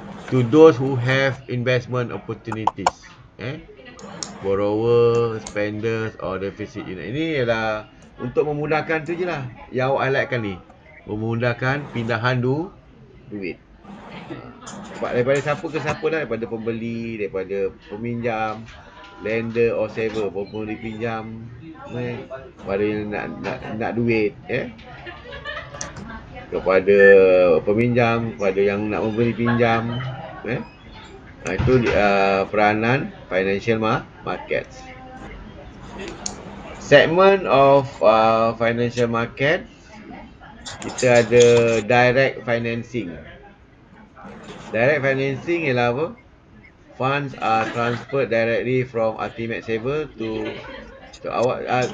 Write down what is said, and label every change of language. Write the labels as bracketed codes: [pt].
[en] To those who have investment opportunities eh? Borrower, spenders or deficit unit. [ms] Ini ialah untuk memudahkan tu je lah yang awak highlightkan ni. Memudahkan pindahan duit. Daripada siapa ke siapa lah. Daripada pembeli, daripada peminjam, [en] lender or saver, [ms] pembeli pinjam. Daripada yang nak duit. Yeah. Kepada peminjam, kepada yang nak membeli pinjam. Yeah. Nah, itu peranan financial markets. Segment of financial market, kita ada direct financing. Direct financing ialah apa? [en] Funds are transferred directly from ultimate saver to [ms] awak.